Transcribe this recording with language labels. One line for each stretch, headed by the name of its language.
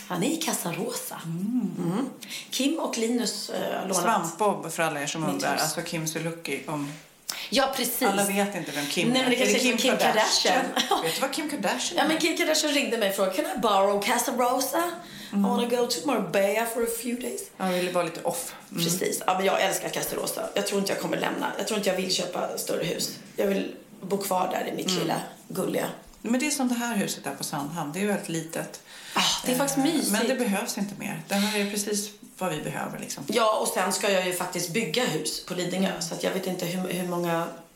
Swedish: Han är i Kassarosa. Mm. Mm. Kim och Linus lånat. Svampbob för alla er som undrar. Hus. Alltså Kim Sulucki om... Ja, precis. Alla vet inte vem Kim är. Nej, men det är Kim Kardashian. Vet du vad Kim Kardashian är? Ja, men Kim Kardashian ringde mig och frågade,
English: can I borrow Casa Rosa?
Swedish: Mm.
English: I wanna go to Marbella for a few days.
Swedish: Ja, jag ville vara lite off. Mm. Precis. Ja, men jag älskar Casa Rosa. Jag tror inte jag kommer lämna. Jag tror inte jag vill köpa större hus. Jag vill bo kvar där i mitt lilla gulliga. Men det är som det här huset där på Sandhamn. Det är ju väldigt litet. Ah, det är faktiskt mysigt. Men det behövs inte mer. Det här är precis... vad vi behöver liksom. Ja, och sen ska jag ju faktiskt bygga hus på Lidingö. Så att jag vet inte hur många...